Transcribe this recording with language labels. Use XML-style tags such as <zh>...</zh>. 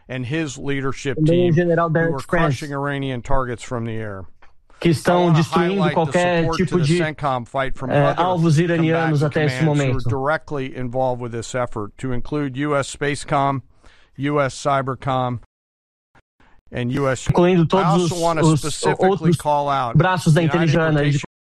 <pt>Também o general Derek Krantz, que estão destruindo qualquer tipo de alvos iranianos até esse momento.</pt> <en>Directly involved with this effort, to include U.S. Spacecom, U.S. Cybercom, and U.S.</en> <pt>incluindo todos os outros braços da inteligência.</pt>